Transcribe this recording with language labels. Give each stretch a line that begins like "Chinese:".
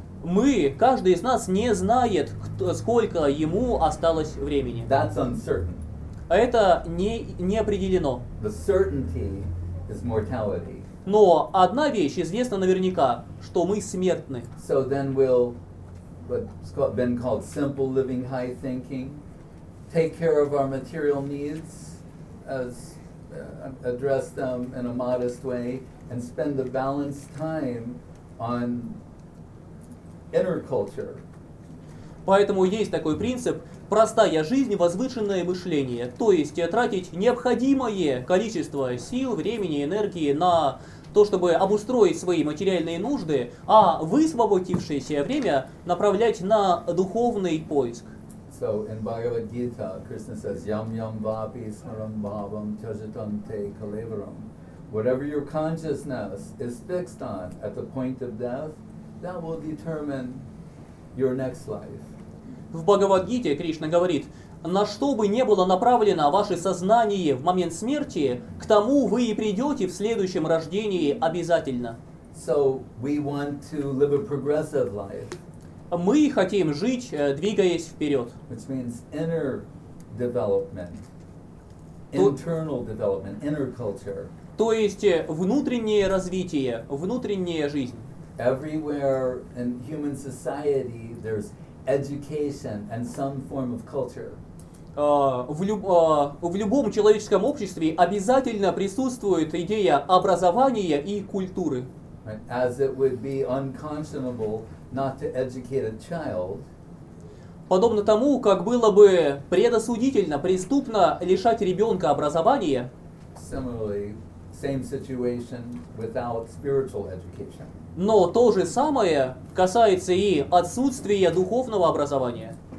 Russian: Мы, каждый из нас, не знает, сколько ему осталось времени.
English: That's uncertain.
Russian: Это не определено.
English: The certainty is mortality.
Russian: Но одна вещь известна наверняка, что мы смертны.
English: So then we'll, what's been called simple living, high thinking, take care of our material needs, as address them in a modest way, and spend the balanced time on inner culture.
Russian: Поэтому есть такой принцип: простая жизнь, возвышенное мышление. То есть тратить необходимое количество сил, времени, энергии на то, чтобы обустроить свои материальные нужды, а высвободившееся время направлять на духовный поиск.
English: So in Bhagavad Gita, Krishna says,
Sanskrit: Yam Yam Vapi Smaram Bhavam Chajatam Te Kalevaram.
English: Whatever your consciousness is fixed on at the point of death, that will determine your next life.
Russian: В Бхагавад-гите Кришна говорит: на что бы ни было направлено ваше сознание в момент смерти, к тому вы и придете в следующем рождении обязательно.
English: So we want to live a progressive life.
Russian: Мы хотим жить, двигаясь вперед.
English: Which means inner development, internal development, inner culture.
Russian: То есть внутреннее развитие, внутренняя жизнь.
English: Everywhere in human society there's education and some form of culture.
Russian: В любом человеческом обществе обязательно присутствует идея образования и культуры.
English: As it would be unconscionable not to educate a child.
Russian: Подобно тому, как было бы предосудительно, преступно лишать ребенка образования.
English: Similarly, same situation without spiritual education.
Russian: Но то же самое касается и отсутствия духовного образования.